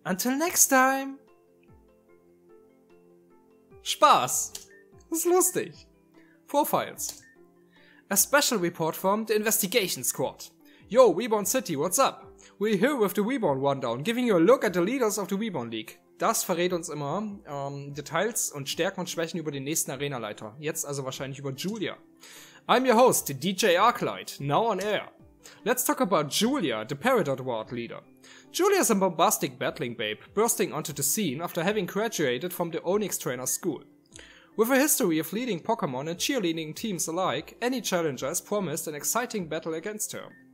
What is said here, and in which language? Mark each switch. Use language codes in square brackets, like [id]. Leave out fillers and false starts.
[en] Until next time. [de] Spaß. Das ist lustig. Profiles. [en] A special report from the investigation squad. Yo, Reborn City, what's up? We're here with the Reborn Rundown, giving you a look at the leaders of the Reborn League. [de] Das verrät uns immer Details und Stärken und Schwächen über den nächsten Arena-Leiter. Jetzt also wahrscheinlich über Julia. [en] I'm your host, the DJ Arclight, now on air. Let's talk about Julia, the Peridot Ward leader. Julia is a bombastic battling babe, bursting onto the scene after having graduated from the Onyx Trainer School. With a history of leading Pokémon and cheerleading teams alike, any challenger is promised an exciting battle against her.